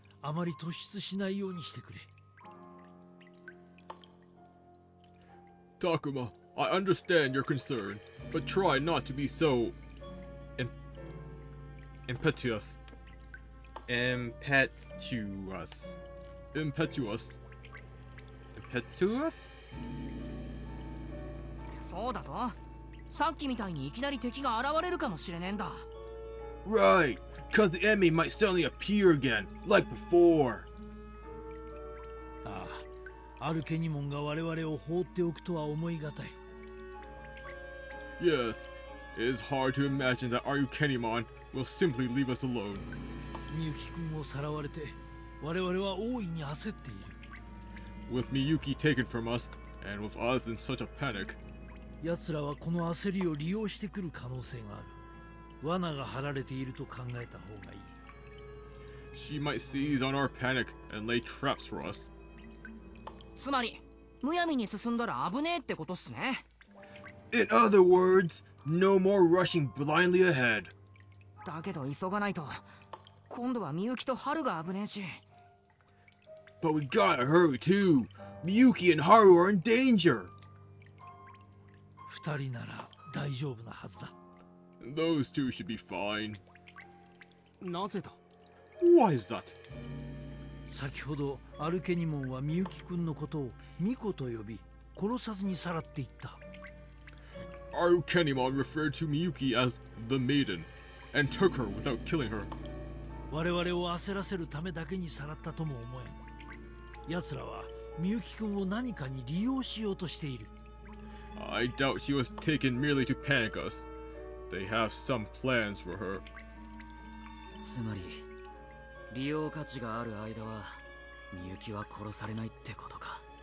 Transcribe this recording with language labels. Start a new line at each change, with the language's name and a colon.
Japanese: あまり突出しないようにしてくれ。
English: Takuma, I understand your concern, but try not to be so impetuous. Impetuous. Impetuous. Impetuous?
Japanese: そうだぞ。さっきみたいにいきなり敵が現れるかもしれねえんだ。
English: Right, because the enemy might suddenly appear again, like before.
Japanese: Ah, Arkenimon ga warewarewを放っておくとは思いがたい。
English: Yes, it is hard to imagine that Arkenimon will simply leave us alone.
Japanese: Miyuki-kun をさらわれて、我々は大いに焦っている。
English: With Miyuki taken from us, and with us in such a panic,
Japanese: 奴らはこの焦りを利用してくる可能性がある。罠が張られていると考えた方がいい。
English: She might seize on our panic and lay traps for us.
Japanese: つまり、むやみに進んだら危ねえってことっすね。
English: In other words, no more rushing blindly ahead.
Japanese: だけど急がないと、今度はみゆきとハルが危ねえし。
English: But we gotta hurry too. Miyuki and Haru are in danger.
Japanese: 二人なら大丈夫なはずだ。
English: Those two should be fine.
Japanese: なぜだ?
English: Why is that?
Japanese: 先ほどアルケニモンはミユキ君のことをミコと呼び、殺さずにさらっていった。
English: アルケニモン referred to Miyuki as the maiden and took her without killing her.
Japanese: 我々を焦らせるためだけにさらったとも思えん。奴らはミユキ君を何かに利用しようとしている。
English: I doubt she was taken merely to panic us. They have some plans for her.
Japanese: つまり、利用価値がある間は、ミユキは殺されないってことか。